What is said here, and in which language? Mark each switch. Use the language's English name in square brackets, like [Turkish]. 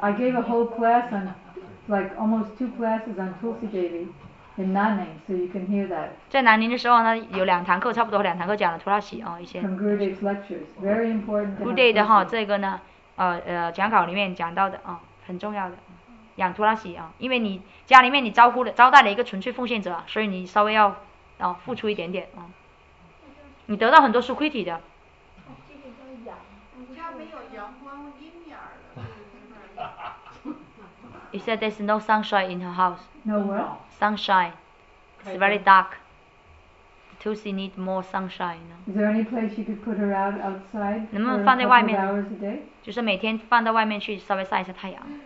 [English] I gave a whole class on, like almost 2 classes on Tulsi Devi in Nanning, so you can hear that. [Chinese] 在南宁的时候呢，有两堂课，差不多两堂课讲了图拉西啊一些。 [English] From Gurudev's lectures, very important. [Chinese] Gurudev 的哈这个呢。讲稿里面讲到的啊，很重要的，养托拉西啊，因为你家里面你招待了一个纯粹奉献者，所以你稍微要付出一点点啊，你得到很多是亏体的。这个叫阳，家没有阳光阴面的。 [English] He said there's no sunshine in her house. No what? Sunshine. It's very dark. Tulsi need more sunshine. Is there any place you could put her out outside? [Chinese] 能不能放在外面？ [English] hours a day? [Chinese] 就是每天放到外面去稍微晒一下太阳。